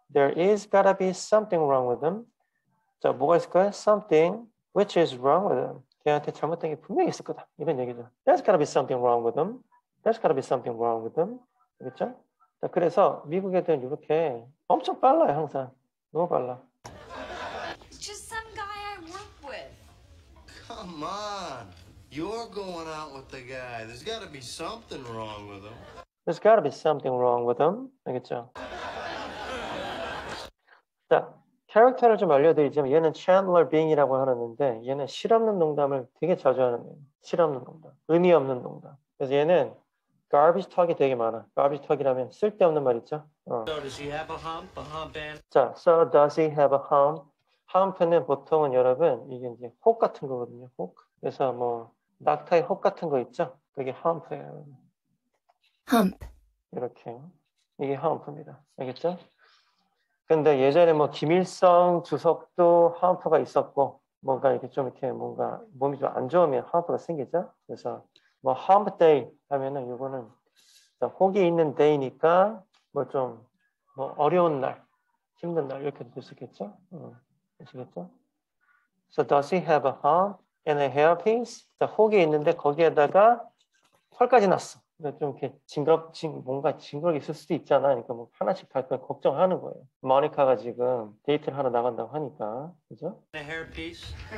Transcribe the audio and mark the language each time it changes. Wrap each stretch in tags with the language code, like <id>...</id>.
<en>There is gotta be something wrong with him.</en> <ko>자, 뭐가 있을까요?</ko> <en>Something. Which is wrong with him?</en> <ko>걔한테 잘못된 게 분명히 있을 거다. 이런 얘기죠.</ko> <en>There's gotta be something wrong with him. There's gotta be something wrong with him.</en> <ko>그렇죠? 자, 그래서 미국에든 이렇게 엄청 빨라요, 항상. 너무 빨라.</ko> <en>It's just some guy I work with. Come on. You're going out with the guy. There's gotta be something wrong with him. There's gotta be something wrong with him.</en> <ko>알겠죠? 자. 캐릭터를 좀 알려드리자면 얘는 Chandler Bing이라고 하는데 얘는 실없는 농담을 되게 자주 하는 거예요. 실없는 농담, 의미 없는 농담. 그래서 얘는 garbage talk이 되게 많아. garbage talk이라면 쓸데없는 말 있죠?</ko> <en>So does he have a hump? A hump and...</en> <ko>자,</ko> <en>so does he have a hump?</en> <ko>hump는 보통은 여러분 이게 이제 혹 같은 거거든요. 혹. 그래서 뭐 낙타의 혹 같은 거 있죠? 그게 hump예요. hump. 이렇게 이게 hump입니다. 알겠죠? 근데 예전에 뭐 김일성 주석도 하우프가 있었고 뭔가 이렇게 좀 이렇게 뭔가 몸이 좀 안 좋으면 하우프가 생기죠. 그래서 뭐 하우프 데이 하면은 이거는 혹이 있는 데이니까 뭐 좀 뭐 어려운 날, 힘든 날 이렇게도 될 수 있겠죠. 아시겠죠?</ko> <en>So does he have a hump and a hairpiece?</en> <ko>자, 혹이 있는데 거기에다가 털까지 났어. 좀 이렇게 뭔가 징그럽게 있을 수도 있잖아. 그러니까 뭐 하나씩 다 그걸 걱정하는 거예요. 모니카가 지금 데이트를 하러 나간다고 하니까, 그죠?</ko> <en>The hair piece.</en>